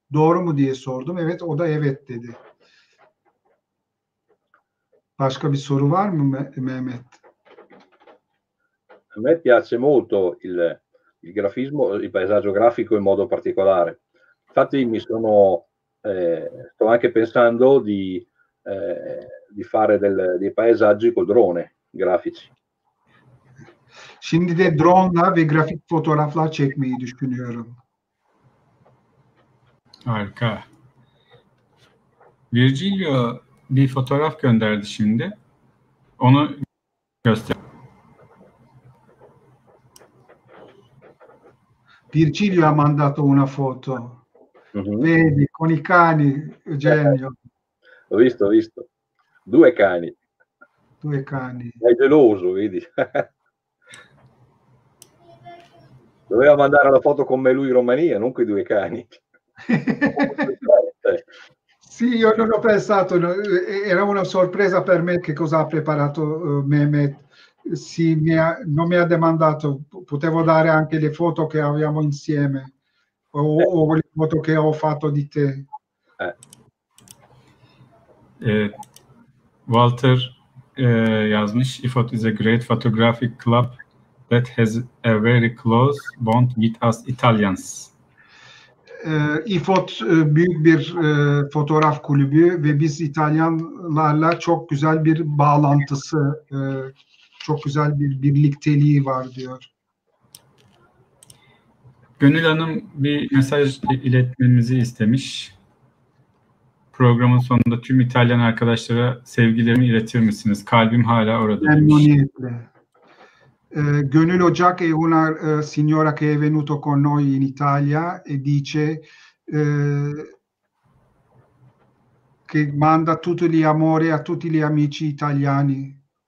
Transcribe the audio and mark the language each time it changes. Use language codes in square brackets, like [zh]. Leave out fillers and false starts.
[tr] Doğru mu diye sordum. Evet, o da evet dedi. Başka bir soru var mı Mehmet? [it] A me piace molto il grafismo, il paesaggio grafico in modo particolare. Infatti mi sono sto anche pensando di fare dei paesaggi col drone grafici. [tr] Şimdi de drone'la ve grafik fotoğraflar çekmeyi düşünüyorum. Harika. Virgilio bir fotoğraf gönderdi şimdi. Onu göster. [it] Virgilio ha mandato una foto. Vedi, con i cani, Eugenio. Ho visto, ho visto. Due cani. Due cani. È geloso, vedi. Doveva mandare la foto con me lui in Romania, non quei due cani. Sì, io non ho pensato, era una sorpresa per me che cosa ha preparato Mehmet. Sì, non mi ha domandato, potevo dare anche le foto che abbiamo insieme o le foto che ho fatto di te. [en] Walter [tr] yazmış, [en] IFOT is a great photographic club that has a very close bond with us Italians. [tr] IFOT büyük bir fotoğraf kulübü ve biz İtalyanlarla çok güzel bir bağlantısı, çok güzel bir birlikteliği var diyor. Gönül Hanım bir mesaj iletmemizi istemiş. Programın sonunda tüm İtalyan arkadaşlara sevgilerimi iletir misiniz? Kalbim hala orada. Memnuniyetle. [it] Gönül Ocak è una signora che è venuto con noi in Italia e dice che manda tutti gli amori a tutti gli amici italiani.